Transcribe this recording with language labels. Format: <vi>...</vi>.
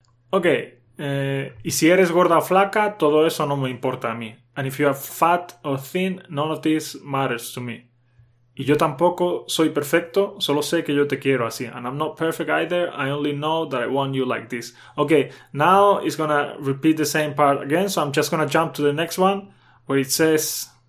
<es>Okay, y si eres gorda o flaca, todo eso no me importa a mí.</es> <en>And if you are fat or thin, none of this matters to me.</en> <es>Y yo tampoco soy perfecto, solo sé que yo te quiero así.</es> <en>And I'm not perfect either, I only know that I want you like this. Okay, now it's gonna repeat the same part again, so I'm just gonna jump to the next one, where it says...</en>